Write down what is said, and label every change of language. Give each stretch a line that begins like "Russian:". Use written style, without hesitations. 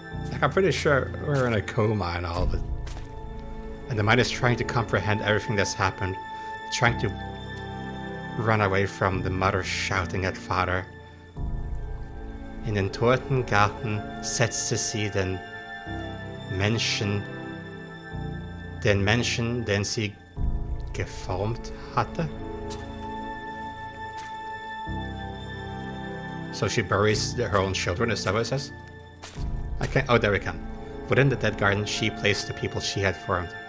English: Like, I'm pretty sure we're in a coma and all, but and the mind is trying to comprehend everything that's happened, trying to run away from the mother shouting at father.
German: In den toten Garten setzte sie den Menschen, den sie geformt hatte.
English: So she buries her own children, is that what it says? There we can. Within the dead garden, she placed the people she had formed.